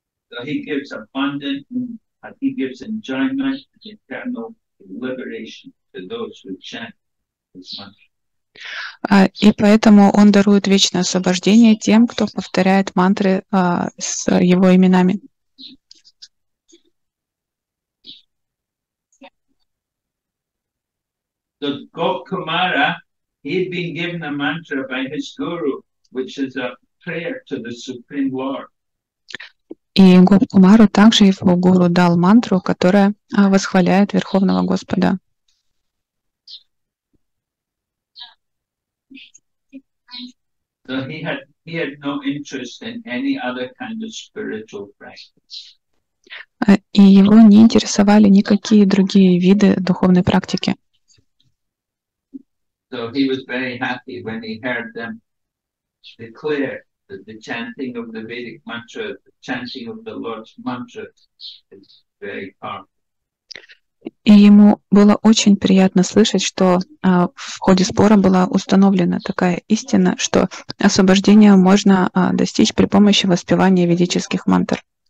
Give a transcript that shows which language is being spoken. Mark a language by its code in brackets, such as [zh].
[en] So he gives abundant, and he gives enjoyment and eternal liberation to those who chant his mantra. [ru] И поэтому он дарует вечное освобождение тем, кто повторяет мантры с его именами. [en] So Gopkumara, he had been given a mantra by his guru, which is a prayer to the Supreme Lord. [ru] И Гопкумару также его гуру дал мантру, которая восхваляет Верховного Господа. [en] So he had no interest in any other kind of spiritual practice. [ru] и его не интересовали никакие другие виды духовной практики. [en] So he was very happy when he heard them declare that the chanting of the Vedic mantra, the chanting of the Lord's mantra is very powerful. [ru] И ему было очень приятно слышать, что в ходе спора была установлена такая истина, что освобождение можно достичь при помощи воспевания ведических мантр.